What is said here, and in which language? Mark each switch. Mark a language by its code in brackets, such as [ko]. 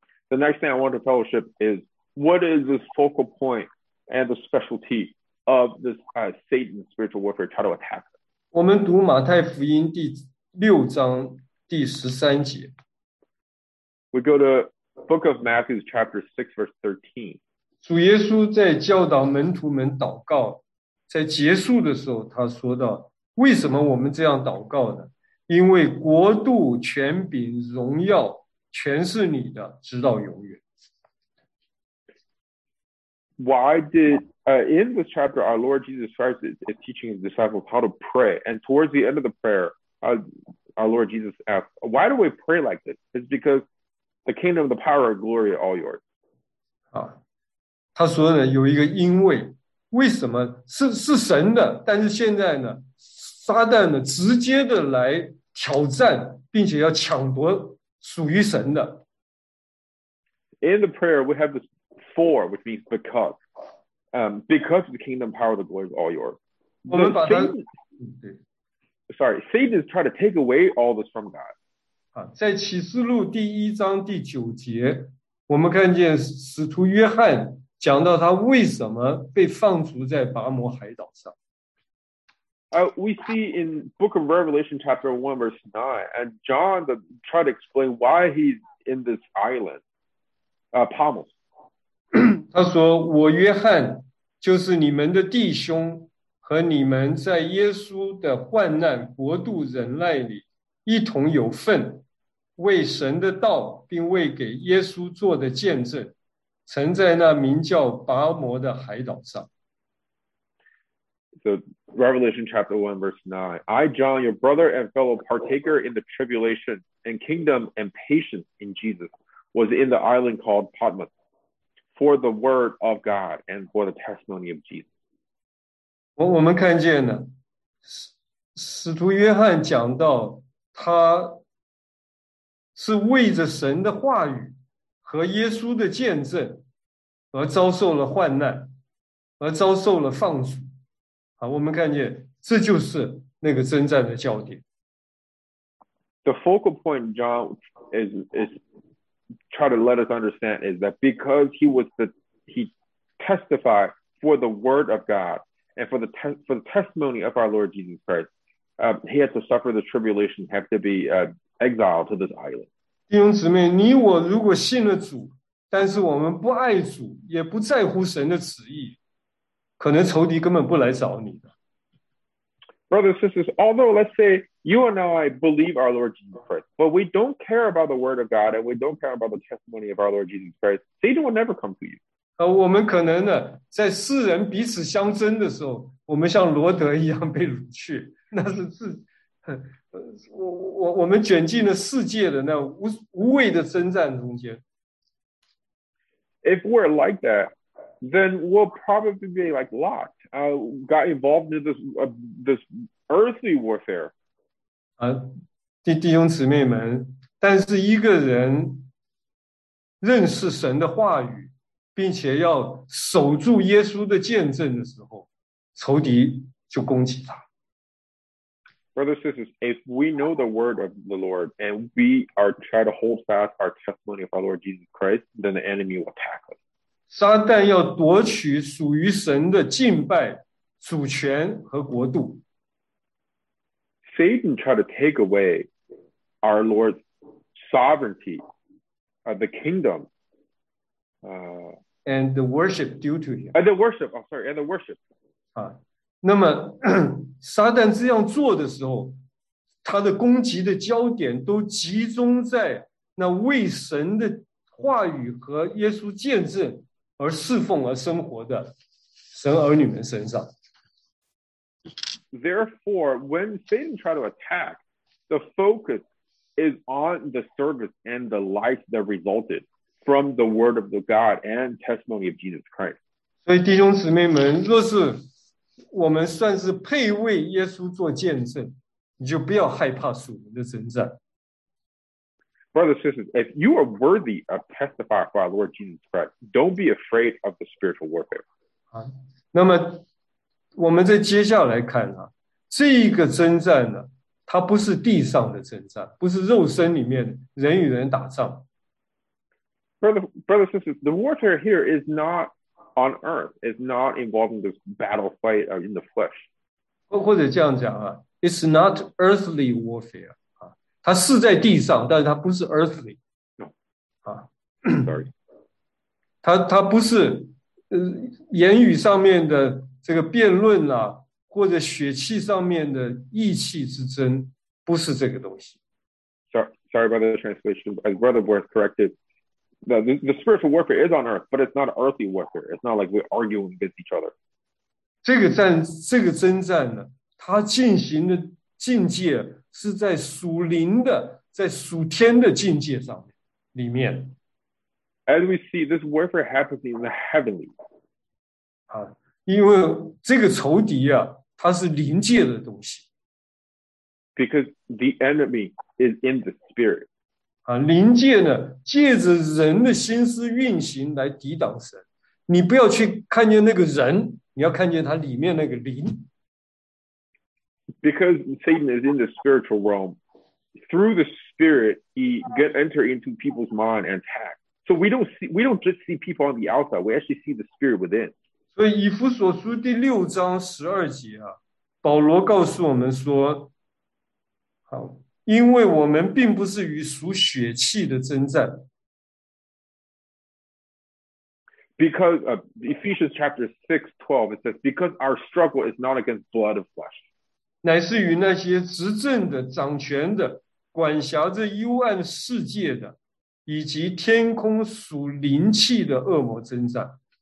[en] The next thing I want to fellowship is what is the focal point and the specialty of this Satan's spiritual warfare try to attack? [zh] 我们读马太福音第六章第十三节。 [en] We go to book of Matthew, chapter 6, verse 13. [zh] 主耶稣在教导门徒们祷告，在结束的时候，他说到：为什么我们这样祷告呢？因为国度、权柄、荣耀，全是你的，直到永远。 [en] Why did, in this chapter, our Lord Jesus Christ is teaching his disciples how to pray. And towards the end of the prayer, our Lord Jesus asked, why do we pray like this? It's because the kingdom, the power, and glory are all yours. [zh] 他说呢，有一个因为，为什么是神的？但是现在呢，撒旦呢，直接的来挑战，并且要抢夺属于神的。 [en] In the prayer, we have this for, which means because, because the kingdom, power, the glory is all yours. [zh] 我们把它 [en] ，Sorry, Satan is trying to take away all this from God. [zh] 在启示录第一章第九节，我们看见使徒约翰。讲到他为什么被放逐在拔摩海岛上。 [en] We see in Book of Revelation chapter 1 verse 9, and John tried to explain why he's in this island, Palmas. [zh] 他说，我约翰就是你们的弟兄和你们在耶稣的患难国度忍耐里一同有份，为神的道并为给耶稣做的见证。曾在那名叫拔摩的海岛上。 [en] So, Revelation chapter 1, verse 9. I, John, your brother and fellow partaker in the tribulation and kingdom and patience in Jesus, was in the island called Patmos for the word of God and for the testimony of Jesus. [zh] 我们看见呢，使徒约翰讲到他是为着神的话语和耶稣的见证而遭受了患难，而遭受了放逐。我们看见这就是那个征战的焦点。 [en] The focal point John is try to let us understand is that because he testified for the word of God and for the testimony of our Lord Jesus Christ, he had to suffer the tribulation, have to be exiled to this island. [zh] 弟兄姊妹，你我如果信了主，但是我们不爱主，也不在乎神的旨意，可能仇敌根本不来找你的。 [en] Brothers, sisters, although let's say you and I believe our Lord Jesus Christ, but we don't care about the word of God and we don't care about the testimony of our Lord Jesus Christ, Satan will never come to you. [zh] 我们可能呢，在世人彼此相争的时候，我们像罗德一样被掳去，那是自。我们卷进了世界的那无谓的征战中间。 [en] If we're like that, then we'll probably be like Lot, got involved in this earthly warfare. [zh] 弟兄姊妹们，但是一个人认识神的话语，并且要守住耶稣的见证的时候，仇敌就攻击他。 [en] Brothers and sisters, if we know the word of the Lord and we are trying to hold fast our testimony of our Lord Jesus Christ, then the enemy will attack us. [zh] 撒旦要夺取属于神的敬拜、主权和国度。 [en] Satan tried to take away our Lord's sovereignty, the kingdom, and the worship due to him. And the worship. [zh] 那么撒旦这样做的时候，他的攻击的焦点都集中在那为神的话语和耶稣见证而侍奉而生活的神儿女们身上。 [en] Therefore, when Satan tried to attack, the focus is on the service and the life that resulted from the word of the God and testimony of Jesus Christ. [zh] 所以弟兄姊妹们，若是我们算是配为耶稣做见证，你就不要害怕属灵的征战。 [en] Brothers and sisters, if you are worthy of testifying for our Lord Jesus Christ, don't be afraid of the spiritual warfare. [zh] 那么我们再接下来看啊，这一个征战呢，它不是地上的征战，不是肉身里面人与人打仗。 [en] Brothers and sisters, the warfare here is not. On earth is not involving this battle fight in the flesh. [zh] 或者这样讲啊， [en] it's not earthly warfare. [zh] 它是在地上，但是它不是 earthly. [en] No. Sorry. [zh] 他不是言语上面的这个辩论啊，或者血气上面的意气之争，不是这个东西。 [en] Sorry about the translation. As Brother Worth corrected, the spiritual warfare is on earth, but it's not earthly warfare. It's not like we're arguing with each other. [zh] 这个征战呢，它进行的境界是在属灵的，在属天的境界上面里面。 [en] As we see, this warfare happens in the heavenly. [zh] 啊，因为这个仇敌啊，它是灵界的东西。 [en] Because the enemy is in the spirit. [zh] 啊，灵界呢，借着人的心思运行来抵挡神。你不要去看见那个人，你要看见他里面那个灵。 [en] Because Satan is in the spiritual realm, through the spirit, he can enter into people's mind and attack. So we don't just see people on the outside, we actually see the spirit within. [zh] 所以以弗所书第六章十二节啊，保罗告诉我们说，好，因为我们并不是与属血气的征战。 [en] Because Ephesians chapter 6, 12, it says, because our struggle is not against blood and flesh. [zh] 乃是与那些执政的、掌权的、管辖着幽暗世界的，以及天空属灵气的恶魔征战。